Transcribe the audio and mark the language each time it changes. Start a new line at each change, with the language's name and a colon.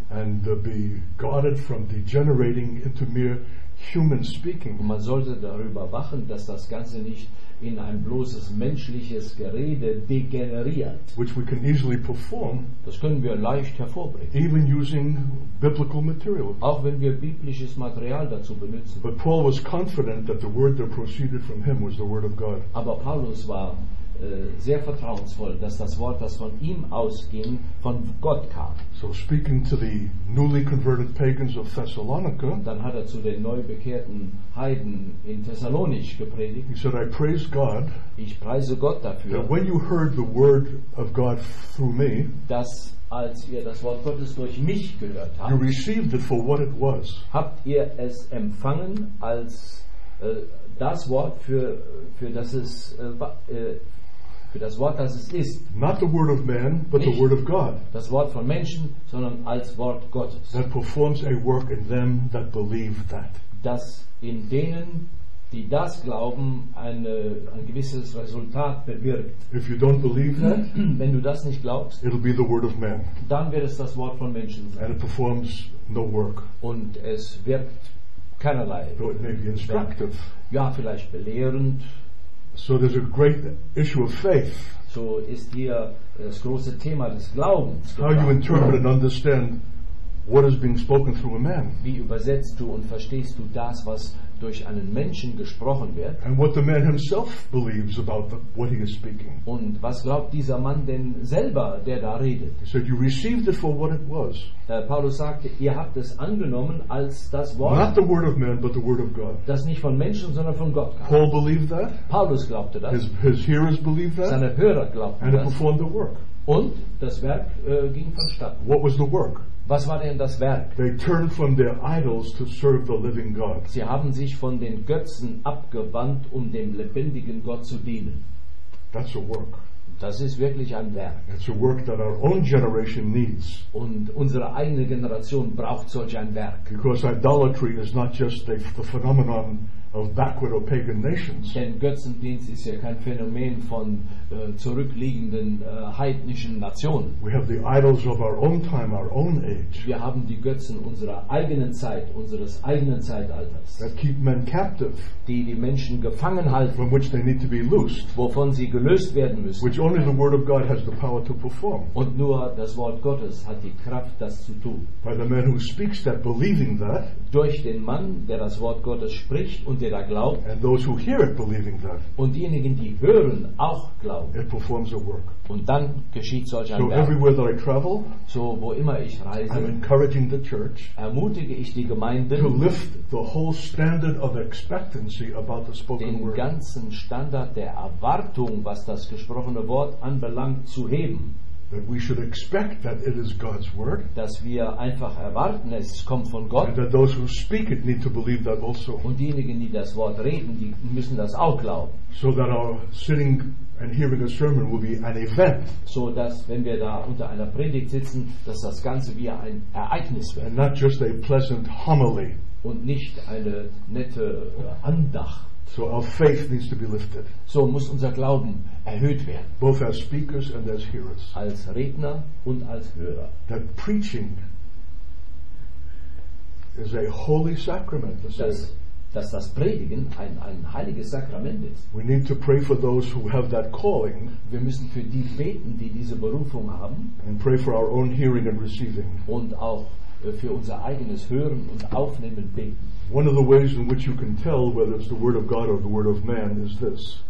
English: and be guarded from degenerating into mere human speaking?
German: Und man sollte darüber wachen, dass das Ganze nicht in ein bloßes menschliches Gerede degeneriert,
English: which we can easily perform,
German: das können wir leicht hervorbringen,
English: even using biblical material,
German: auch wenn wir biblisches Material dazu benutzen.
English: But Paul was confident that the word that proceeded from him was the word of God.
German: Aber Paulus war sehr vertrauensvoll, dass das Wort, das von ihm ausging, von Gott kam.
English: So speaking to the newly converted pagans of Thessalonica,
German: und dann hat er zu den neu bekehrten Heiden in Thessalonich gepredigt.
English: He said, I praise God,
German: ich preise Gott dafür,
English: that when you heard the word of God through me,
German: dass als ihr das Wort Gottes durch mich gehört habt,
English: you received it for what it was.
German: Habt ihr es empfangen als das Wort, für das Wort, das es ist.
English: Not the word of man, but
German: nicht
English: the word of God.
German: Das Wort von Menschen, sondern als Wort Gottes.
English: That performs a work in them that believe that.
German: Das in denen, die das glauben, ein gewisses Resultat bewirkt.
English: If you don't believe that,
German: wenn du das nicht glaubst,
English: it'll be the word of man.
German: Dann wird es das Wort von Menschen sein.
English: And it performs no work.
German: Und es wirkt keinerlei.
English: Though it may be instructive.
German: Ja, vielleicht belehrend.
English: So there's a great issue of faith.
German: So ist hier das große Thema des Glaubens.
English: How you interpret and understand what is being spoken through a man.
German: Wie übersetzt du und verstehst du das, was durch einen Menschen gesprochen wird?
English: And what the man himself believes about what he is speaking.
German: Und was glaubt dieser Mann denn selber, der da redet?
English: He said, you received it for what it was.
German: Paulus sagte, ihr habt es angenommen als das Wort.
English: Not the word of man, but the word of God.
German: Das nicht von Menschen, sondern von Gott kam.
English: Paul believed that.
German: Paulus glaubte das.
English: His hearers believed that.
German: Seine Hörer glaubten
English: and
German: das.
English: And it performed the work.
German: Und das Werk ging vonstatten.
English: What was the work?
German: Was war denn das Werk?
English: They turned from their idols to serve the living God.
German: Sie haben sich von den Götzen abgewandt, um dem lebendigen Gott zu dienen.
English: That's a work.
German: Das ist wirklich ein Werk.
English: It's a work that our own generation needs.
German: Und unsere eigene Generation braucht solch ein Werk.
English: Because idolatry is not just the phenomenon of backward or pagan nations.
German: Denn Götzendienst ist ja kein Phänomen von zurückliegenden heidnischen Nationen.
English: We have the idols of our own time, our own age.
German: Wir haben die Götzen unserer eigenen Zeit, unseres eigenen Zeitalters.
English: That keep men captive.
German: Die Menschen gefangen halten.
English: From which they need to be loosed.
German: Wovon sie gelöst werden müssen.
English: Which only the word of God has the power to perform.
German: Und nur das Wort Gottes hat die Kraft, das zu tun.
English: By the man who speaks that, believing that.
German: Durch den Mann, der das Wort Gottes spricht und der da glaubt.
English: And those who hear it believing that.
German: Und diejenigen, die hören, auch glauben.
English: It performs a work.
German: Und dann geschieht solch ein
English: Werk. So everywhere that I travel,
German: so wo immer ich reise,
English: I'm encouraging the church,
German: ermutige ich die Gemeinde,
English: to lift the whole standard of expectancy about the spoken
German: den
English: word.
German: Ganzen Standard der Erwartung, was das gesprochene Wort anbelangt, zu heben.
English: That we should expect that it is God's word.
German: Dass wir einfach erwarten, es kommt von Gott.
English: And that those who speak it need to believe that also.
German: Und diejenigen, die das Wort reden, die müssen das auch glauben.
English: So that our sitting and hearing a sermon will be an event.
German: So dass wenn wir da unter einer Predigt sitzen, dass das Ganze wie ein Ereignis wird.
English: And not just a pleasant homily.
German: Und nicht eine nette Andacht.
English: So our faith needs to be lifted.
German: So muss unser Glauben erhöht werden.
English: Both as speakers and as hearers.
German: Als Redner und als Hörer.
English: That preaching is a holy sacrament.
German: Dass das Predigen ein heiliges Sakrament ist.
English: We need to pray for those who have that calling.
German: Wir müssen für die beten, die diese Berufung haben.
English: And pray for our own hearing and receiving.
German: Und auch für unser eigenes Hören und Aufnehmen beten.
English: One of the ways in which you can tell whether it's the word of God or the word of man is this.